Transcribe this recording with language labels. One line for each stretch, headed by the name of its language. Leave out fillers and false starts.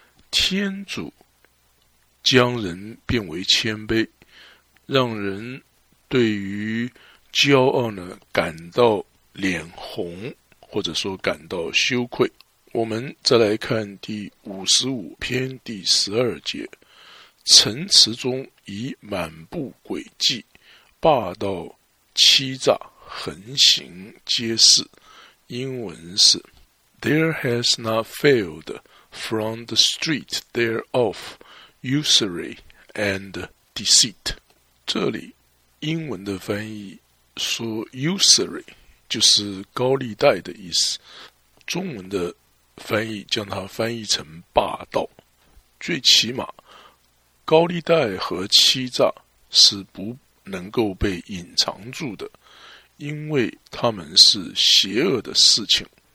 Chinese: 天主将人变为谦卑，让人对于骄傲呢感到脸红，或者说感到羞愧。我们再来看第55篇第12节：城池中以满布诡计、霸道、欺诈横行皆是。英文是
English: There has not failed from the street thereof usury and deceit.
Chinese: 这里英文的翻译说 usury 就是高利贷的意思，中文的翻译将它翻译成霸道。最起码高利贷和欺诈是不能够被隐藏住的，因为他们是邪恶的事情。